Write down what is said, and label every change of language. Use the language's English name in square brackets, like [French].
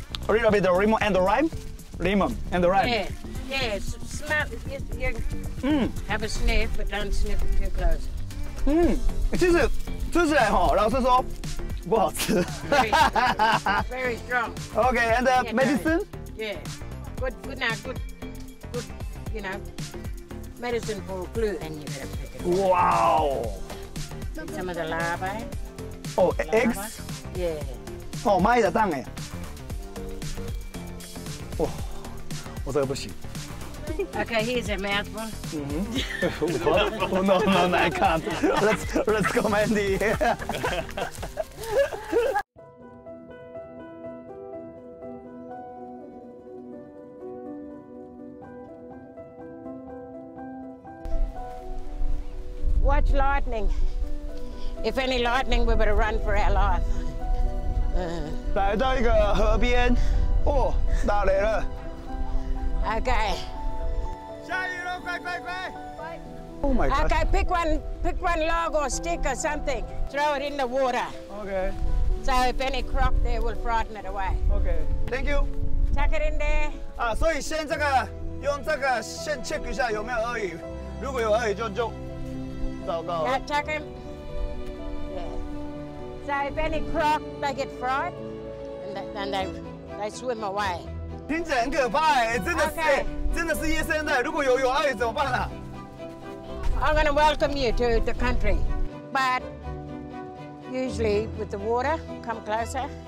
[English] A little bit of lemon and the rime. Lemon and the rime. Yes. Have a sniff, but don't sniff it too close. Mm. [Chinese] 其实吃起来老实说不好吃。 [English] Very strong. Okay, and the medicine? Yeah. Good, you know, medicine for glue, and you gotta pick it. Wow. Some of the larvae. Eggs? Yeah. [Chinese] 哦，蚂蚁的蛋哎。哇，我这个不行。 [English] Okay, here's a mouthful. Mm-hmm. No, I can't. Let's go, Mandy. Watch lightning. If any lightning, we better run for our life. [Chinese] 来到一个河边，哦，打雷了。 [English] Okay. [Chinese] 快！ [English] Oh my god! Okay, pick one log or stick or something. Throw it in the water. Okay. So if any croc there, will frighten it away. Okay. Thank you. Tuck it in there. [Chinese] 所以先用这个线 check 一下有没有鳄鱼。如果有鳄鱼就糟糕了。 [English] Yeah, tuck him. Yeah. So if any croc they get frightened, then they swim away. [Chinese] 听起来很可怕，真的是。Okay. 真的是野生的，如果有鳄鱼怎么办啊 [English] ？I'm gonna welcome you to the country, but usually with the water, come closer.